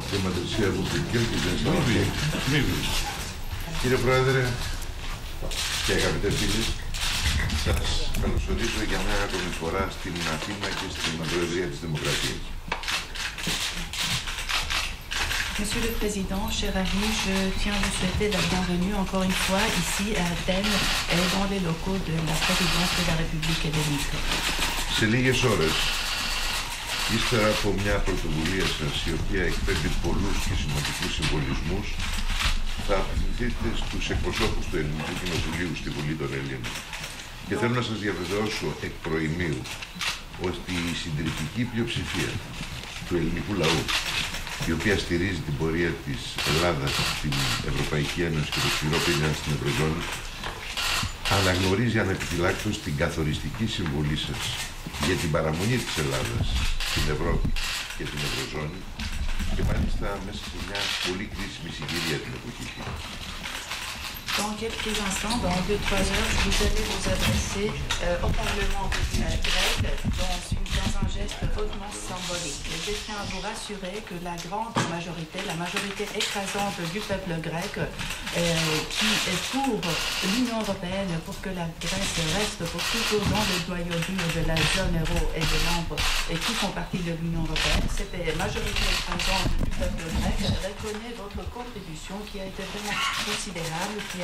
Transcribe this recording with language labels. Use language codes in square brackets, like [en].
[el] χρηματιστήρια που πήγαινε και δεν σταματήσαμε. Μη βγεις. Κύριε Πρόεδρε και αγαπητέ φίλε, σας καλωσορίζω για μια ακόμη φορά στην Αθήνα και στην Προεδρία της Δημοκρατίας. [fr] Monsieur le Président, cher ami, je tiens à vous souhaiter la bienvenue encore une fois ici à Athènes et dans les locaux de la présidence de la République hellénique. [el] Σε λίγες ώρες, ύστερα από μια πρωτοβουλία σας, η οποία εκπέμπει πολλούς και σημαντικούς συμβολισμούς, θα απευθυνθείτε στους εκπροσώπους του Ελληνικού Κοινοβουλίου στη Βουλή των Ελλήνων. Και θέλω να σας διαβεβαιώσω εκ προημίου ότι η συντριπτική πλειοψηφία του ελληνικού λαού, η οποία στηρίζει την πορεία της Ελλάδας στην Ευρωπαϊκή Ένωση και το σκληρό πυρήνα στην Ευρωζώνη, αναγνωρίζει ανεπιφυλάκτως την καθοριστική συμβολή σας για την παραμονή της Ελλάδας στην Ευρώπη και την Ευρωζώνη και μάλιστα μέσα σε μια πολύ κρίσιμη συγκυρία την εποχή. [fr] Dans quelques instants, dans 2-3 heures, vous allez vous adresser au Parlement grec dans un geste hautement symbolique. Et je tiens à vous rassurer que la grande majorité, la majorité écrasante du peuple grec qui est pour l'Union européenne, pour que la Grèce reste pour toujours dans le noyau dur de la zone euro et des membres et qui font partie de l'Union européenne, cette majorité écrasante du peuple grec reconnaît votre contribution qui a été vraiment considérable.